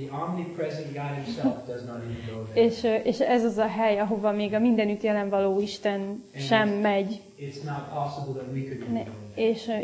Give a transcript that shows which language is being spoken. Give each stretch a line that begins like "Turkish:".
English: The omnipresent God himself does not even go there.
Hungarian: És ez az a hely, ahova még a mindenütt jelen való Isten sem megy.
English: It's not possible that we could go there.